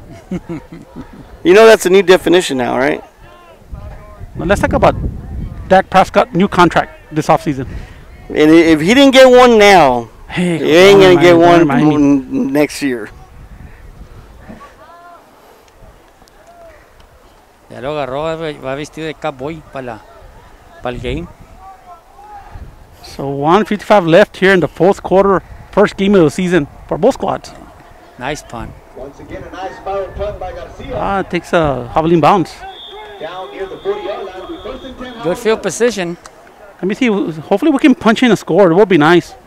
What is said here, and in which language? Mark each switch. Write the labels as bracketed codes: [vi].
[en] You know that's a new definition now, right? Well, let's talk about Dak Prescott new contract this offseason. And if he didn't get one now. Hey, you ain't gonna get one next year. [es] Ya lo agarró, va vestido de cowboy para el game. [en] So 1:55 left here in the fourth quarter, first game of the season for both squads. Nice punt. Once again, a nice power punt by Garcia. It takes a hobbling bounce. Down near the 40-yard line, we first and 10. Good field position. Let me see. Hopefully, we can punch in a score. It would be nice.